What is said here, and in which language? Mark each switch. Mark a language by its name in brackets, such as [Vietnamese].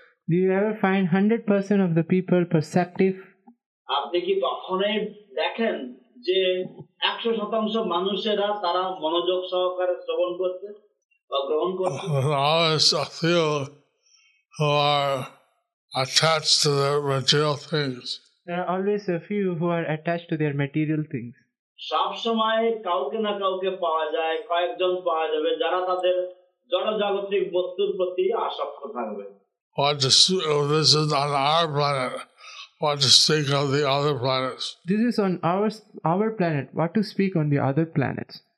[English] Do you ever find 100% of the people perceptive? [Bangla] আপনি কি কখনো দেখেন যে 100% মানুষেরা তারা মনোযোগ সহকারে শ্রবণ করছে বা গ্রহণ করছে? [English] I feel who are attached to their material things. There are always a few who are attached to their material things. [Bangla] সব সময় কাউকে না কাউকে পাওয়া যায়, কয়েকজন পাওয়া যাবে যারা তাদের জড়জাগতিক বস্তুর প্রতি আসক্ত থাকবে। [English] This is on our planet. What to speak of the other planets? This is on our planet. What to speak on the other planets?